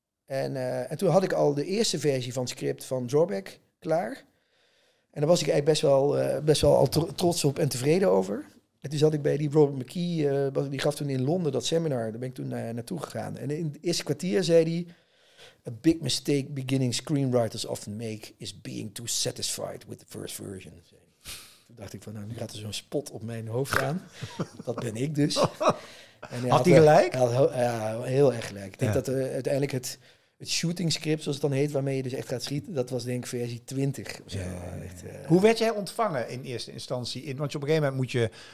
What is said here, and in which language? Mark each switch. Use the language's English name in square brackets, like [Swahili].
[Dutch] En toen had ik al de eerste versie van het script van Drawback klaar. En daar was ik eigenlijk best wel al trots op en tevreden over. En toen zat ik bij die Robert McKee. Die gaf toen in Londen dat seminar. Daar ben ik toen naartoe gegaan. En in het eerste kwartier zei hij... [English] A big mistake beginning screenwriters often make is being too satisfied with the first version. [Dutch] Toen dacht ik van, nou, nu gaat er zo'n spot op mijn hoofd aan. Dat ben ik dus. En had hij gelijk? Ja, heel erg gelijk. Ik denk dat uiteindelijk het shooting script, zoals het dan heet, waarmee je dus echt gaat schieten, dat was denk ik versie 20. Of zo. Ja, echt, hoe werd jij ontvangen in eerste instantie? Want op een gegeven moment moet je...